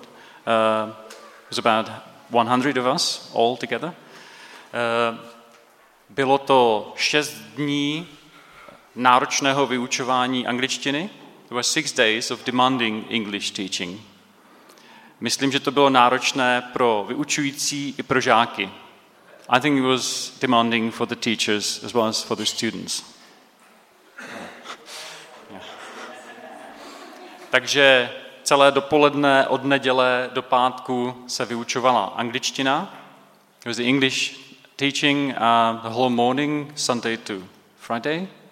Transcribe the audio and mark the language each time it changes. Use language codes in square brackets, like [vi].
[en] It was about 100 of us all together. [cs] Bylo to 6 dní náročného vyučování angličtiny. [en] It was 6 days of demanding English teaching. [cs] Myslím, že to bylo náročné pro vyučující i pro žáky. [en] I think it was demanding for the teachers as well as for the students. [cs] Takže celé dopoledne od neděle do pátku se vyučovala angličtina. [en] It was the English teaching the whole morning, Sunday to Friday.